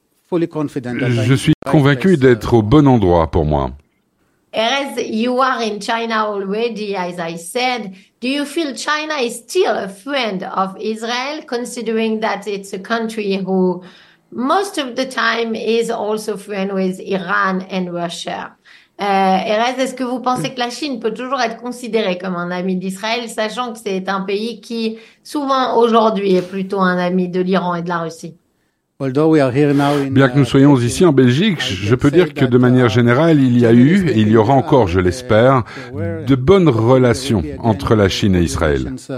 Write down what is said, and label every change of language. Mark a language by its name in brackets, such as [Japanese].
[French] Je suis convaincu d'être au bon endroit pour moi. [English] Erez, you are in China already, as I said. Do you feel China is still a friend of Israel, considering that it's a country who most of the time is also friend with Iran and Russia? [French] Erez, est-ce que vous pensez que la Chine peut toujours être considérée comme un ami d'Israël, sachant que c'est un pays qui, souvent aujourd'hui, est plutôt un ami de l'Iran et de la Russie? Bien que nous soyons ici en Belgique, je peux dire que de manière générale, il y a eu, et il y aura encore, je l'espère, de bonnes relations entre la Chine et Israël.